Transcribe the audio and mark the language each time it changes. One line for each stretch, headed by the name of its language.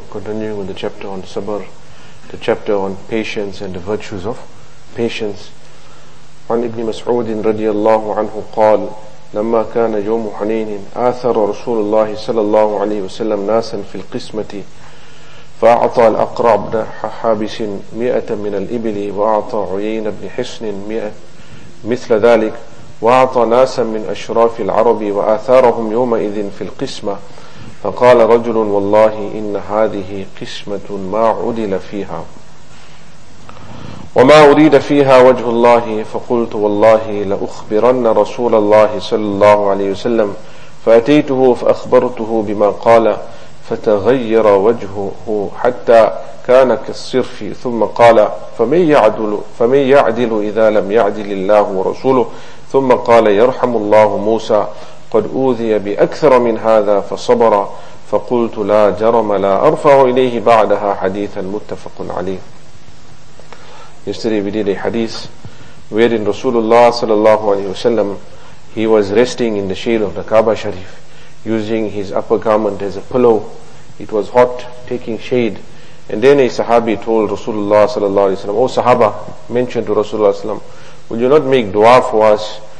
English: Continuing with the chapter on sabr, the chapter on patience and the virtues of patience.
Arabic: عن ابن مسعود رضي الله عنه قال لما كان يوم حنين آثر رسول الله صلى الله عليه وسلم ناسا في القسمة فأعطى الأقرع بن حابس 100 من الإبل وأعطى عيين بن حصن 100 مثل ذلك وأعطى ناسا من أشراف العرب وآثارهم يومئذ في القسمة فقال رجل والله إن هذه قسمة ما عدل فيها وما أريد فيها وجه الله فقلت والله لأخبرن رسول الله صلى الله عليه وسلم فأتيته فأخبرته بما قال فتغير وجهه حتى كان كالصرف ثم قال فمن يعدل إذا لم يعدل الله ورسوله ثم قال يرحم الله موسى قد أوذي بأكثر من هذا فصبر فقلت لا جرم لا أرفع إليه بعدها حديثا متفق عليه.
English: Yesterday we did a hadith wherein Rasulullah sallallahu alayhi wa sallam, he was resting in the shade of the Kaaba Sharif using his upper garment as a pillow. It was hot, taking shade. And then a sahabi told Rasulullah sallallahu alayhi wa sallam, O sahaba, mentioned to Rasulullah sallam, will you not make dua for us?